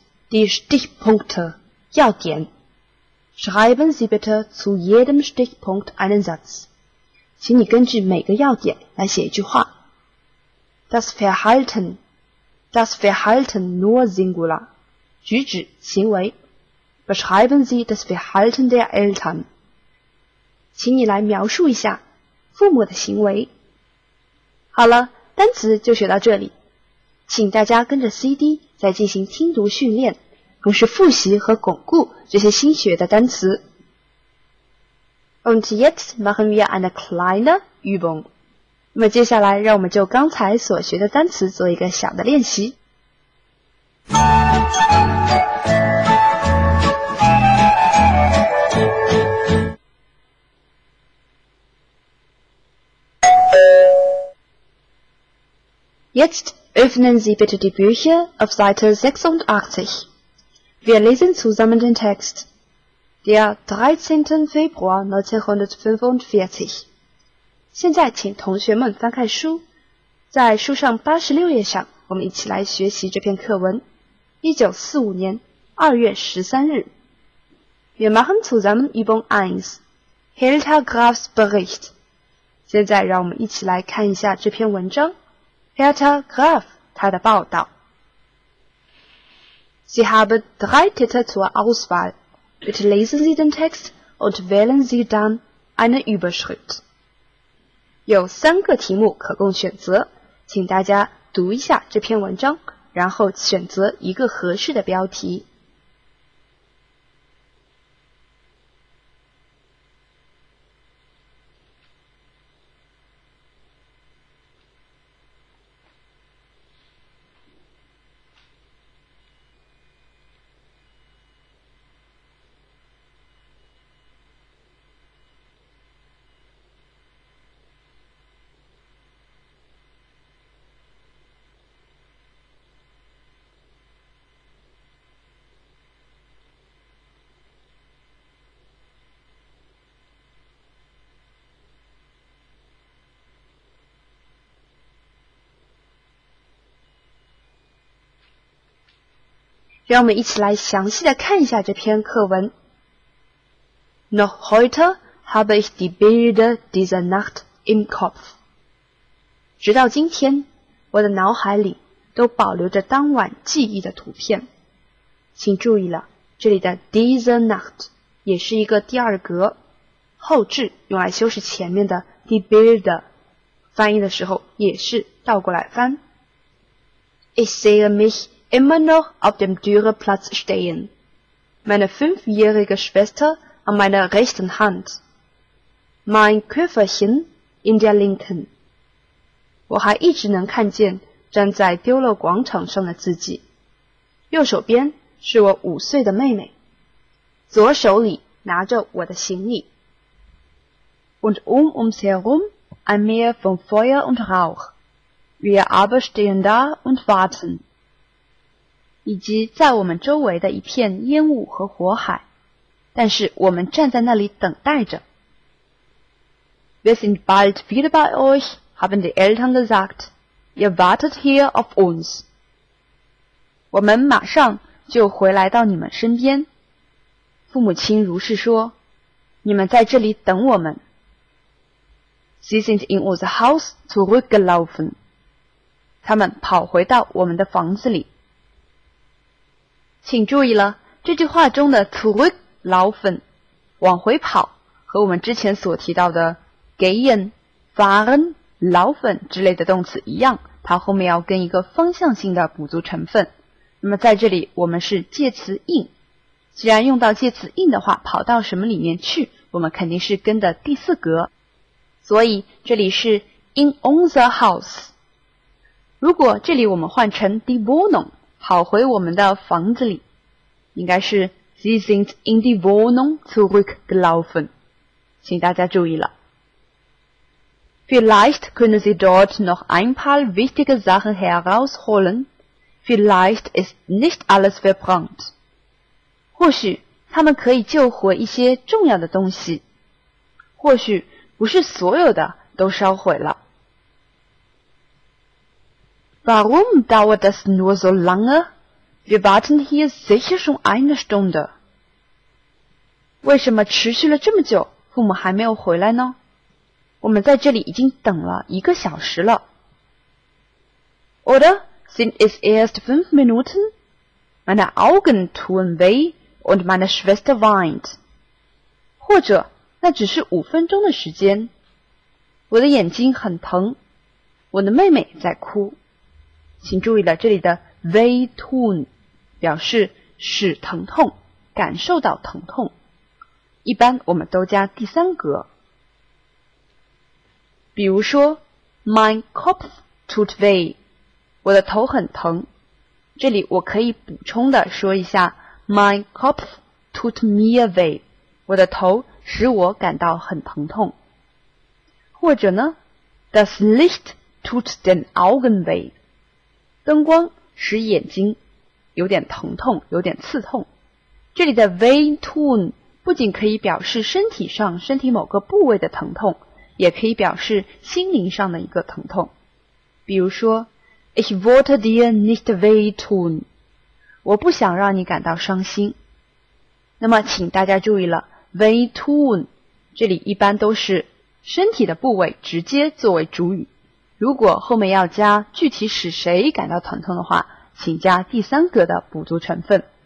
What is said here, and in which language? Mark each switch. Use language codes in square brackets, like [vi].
[de] Der Stichpunkt, die Stichpunkte, [zh] 要点。 [de] Schreiben Sie bitte zu jedem Stichpunkt einen Satz. [zh] 请你根据每个要点来写一句话。 [de] Das Verhalten nur singular. [zh] 举止行为。 [de] Beschreiben Sie das Verhalten der Eltern. [zh] 请你来描述一下父母的行为。好了，单词就学到这里。请大家跟着 CD 再进行听读训练，同时复习和巩固这些新学的单词。 [de] Und jetzt machen wir eine kleine Übung. [zh] 那么接下来让我们就刚才所学的单词做一个小的练习。 [de] Jetzt öffnen Sie bitte die Bücher auf Seite 86. Wir lesen zusammen den Text. Der 13. Februar 1945. [zh] 现在请同学们翻开书。在书上86页上，我们一起来学习这篇课文。 1945年2月13日。 [de] Wir machen zusammen Übung 1. Hilda Graf's Bericht. [zh] 现在让我们一起来看一下这篇文章。 [de] Hertha Graf, [zh] 他的报道。 [de] Sie haben 3 Titel zur Auswahl. Bitte lesen Sie den Text und wählen Sie dann eine Überschrift. [zh] 有三个题目可供选择，请大家读一下这篇文章，然后选择一个合适的标题。让我们一起来详细的看一下这篇课文。 [de] Noch heute habe ich die Bilder dieser Nacht im Kopf. [zh] 直到今天，我的脑海里都保留着当晚记忆的图片。请注意了，这里的 [de] dieser Nacht [zh] 也是一个第二格，后置用来修饰前面的 [de] die Bilder， [zh] 翻译的时候也是倒过来翻。 [de] Ich sehe mich immer noch auf dem Dürerplatz stehen. Meine fünfjährige Schwester an meiner rechten Hand. Mein Köfferchen in der linken. [zh] 我还一直能看见站在丢勒广场上的自己。右手边是我5岁的妹妹。左手里拿着我的行李。 [de] Und ums herum ein Meer von Feuer und Rauch. Wir aber stehen da und warten. [zh] 以及在我们周围的一片烟雾和火海，但是我们站在那里等待着。 [de] Wir sind bald wieder bei euch, haben die Eltern gesagt. Ihr wartet hier auf uns. [zh] 我们马上就回来到你们身边。父母亲如是说，你们在这里等我们。 [de] Sie sind in unser Haus zurückgelaufen. [zh] 他们跑回到我们的房子里。请注意了，这句话中的 zurücklaufen, 往回跑，和我们之前所提到的gehen, fahren, laufen 之类的动词一样，它后面要跟一个方向性的补足成分。那么在这里我们是介词 in， 既然用到介词 in 的话，跑到什么里面去，我们肯定是跟的第四格，所以这里是 [de] in unser Haus。 [zh] 如果这里我们换成 [de] die Wohnung， [zh] 跑回我们的房子里，应该是 [de] Sie sind in die Wohnung zurückgelaufen， [zh] 请大家注意了。 [de] Vielleicht können Sie dort noch ein paar wichtige Sachen herausholen. Vielleicht ist nicht alles verbrannt. [zh] 或许他们可以救活一些重要的东西。或许不是所有的都烧毁了。 [de] Warum dauert das nur so lange? Wir warten hier sicher schon eine Stunde. [zh] 为什么持续了这么久，父母还没有回来呢？我们在这里已经等了一个小时了。 [de] Oder sind es erst fünf Minuten? Meine Augen tun weh und meine Schwester weint. [zh] 或者那只是五分钟的时间。我的眼睛很疼，我的妹妹在哭。请注意了，这里的 weh tun 表示使疼痛，感受到疼痛。一般我们都加第三格。比如说 [de] ,mein Kopf tut weh, [zh] 我的头很疼。这里我可以补充的说一下 , [de] mein Kopf tut mir weh, [zh] 我的头使我感到很疼痛。或者呢 [de] ,das Licht tut den Augen weh, [zh] 灯光使眼睛有点疼痛，有点刺痛。这里的 weh tun 不仅可以表示身体上身体某个部位的疼痛，也可以表示心灵上的一个疼痛。比如说 [de] Ich wollte dir nicht wehtun， [zh] 我不想让你感到伤心。那么请大家注意了， wehtun 这里一般都是身体的部位直接作为主语，如果后面要加具体使谁感到疼痛的话，请加第三格的补足成分。